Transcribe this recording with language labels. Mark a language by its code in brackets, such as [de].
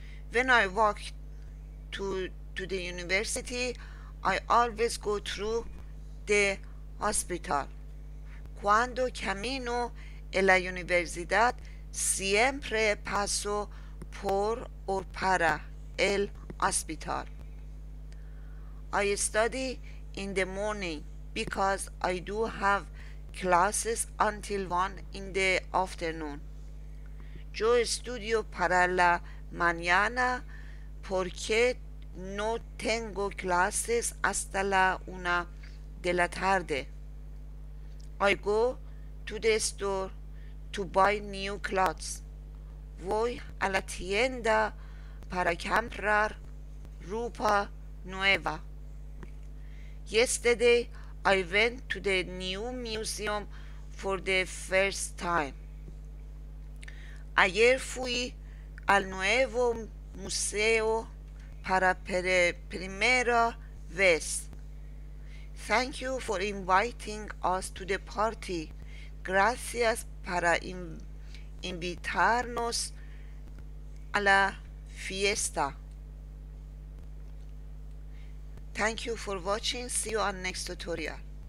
[en] When I walk to the university, I always go through the hospital. [es] Cuando camino a la universidad, siempre paso por o para el hospital. [en] I study in the morning because I do have classes until 1 p.m. [es] Yo estudio para la mañana porque no tengo clases hasta la 1 p.m. [en] I go to the store to buy new clothes. [es] Voy a la tienda para comprar ropa nueva. [en] Yesterday, I went to the new museum for the first time. [es] Ayer fui al nuevo museo para primera vez. [en] Thank you for inviting us to the party. [es] Gracias para invitarnos a la fiesta. [en] Thank you for watching. See you on next tutorial.